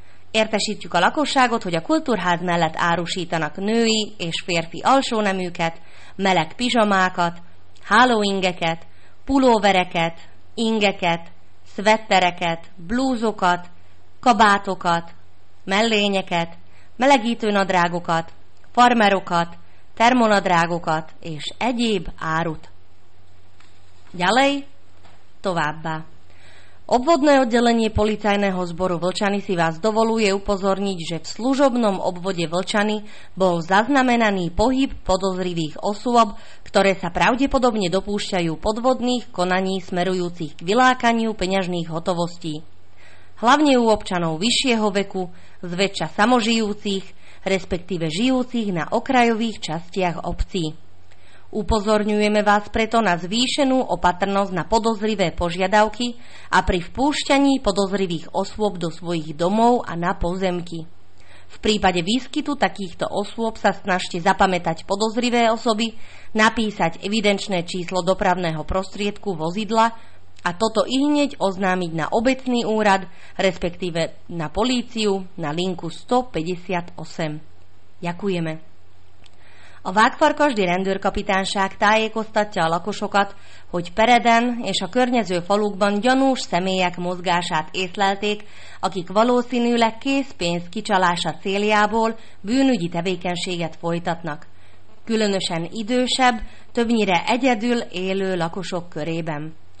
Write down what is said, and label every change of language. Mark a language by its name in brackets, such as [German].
[Hungarian] Értesítjük a lakosságot, hogy a kultúrház mellett árusítanak női és férfi alsóneműket, meleg pizsamákat, hálóingeket, pulóvereket, ingeket, szvettereket, blúzokat, kabátokat, mellényeket, melegítő nadrágokat, farmerokat, termonadrágokat és egyéb árut. [Slovak] Ďalej, továbbá. Obvodné oddelenie policajného zboru Vlčany si vás dovoluje upozorniť, že v služobnom obvode Vlčany bol zaznamenaný pohyb podozrivých osôb, ktoré sa pravdepodobne dopúšťajú podvodných konaní smerujúcich k vylákaniu peňažných hotovostí. Hlavne u občanov vyššieho veku, zväčša samožijúcich, respektíve žijúcich na okrajových častiach obcí. Upozorňujeme vás preto na zvýšenú opatrnosť na podozrivé požiadavky a pri vpúšťaní podozrivých osôb do svojich domov a na pozemky. V prípade výskytu takýchto osôb sa snažte zapamätať podozrivé osoby, napísať evidenčné číslo dopravného prostriedku vozidla a toto ihneď oznámiť na obecný úrad, respektíve na políciu, na linku 158. Ďakujeme. [Hungarian] A Vágfarkasdi rendőrkapitányság tájékoztatja a lakosokat, hogy Pereden és a környező falukban gyanús személyek mozgását észlelték, akik valószínűleg készpénz kicsalása céljából bűnügyi tevékenységet folytatnak, különösen idősebb, többnyire egyedül élő lakosok körében.